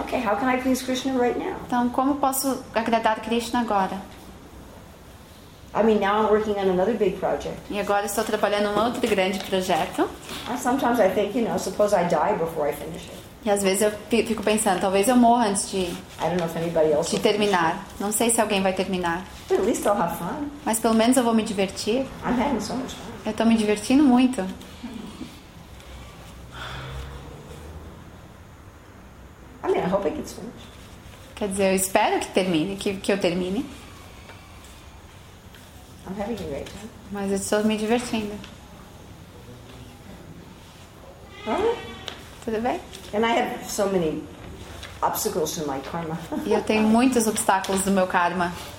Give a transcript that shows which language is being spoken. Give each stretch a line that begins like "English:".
English: Okay, how can I please Krishna right now?
Portuguese: Então, como posso agradar Krishna agora?
English: I mean, now I'm working on another big project.
Portuguese: E agora estou trabalhando em outro grande projeto.
English: And sometimes I think, you know, suppose I die before I finish it.
Portuguese: E às vezes eu fico pensando, talvez eu morra antes de,
English: I don't know if anybody else
Portuguese: de terminar. Não sei se alguém vai terminar.
English: But at least I'll have fun.
Portuguese: Mas pelo menos eu vou me divertir.
English: I'm having so much fun.
Portuguese: Eu estou me divertindo muito.
English: I mean, I hope it gets finished.
Portuguese: Quer dizer, eu espero que termine, que eu termine.
English: I'm having a great time.
Portuguese: Mas eu estou me divertindo.
English: Right.
Portuguese: Tudo bem?
English: And I have so many obstacles in my karma.
Portuguese: E eu tenho muitos obstáculos no meu karma.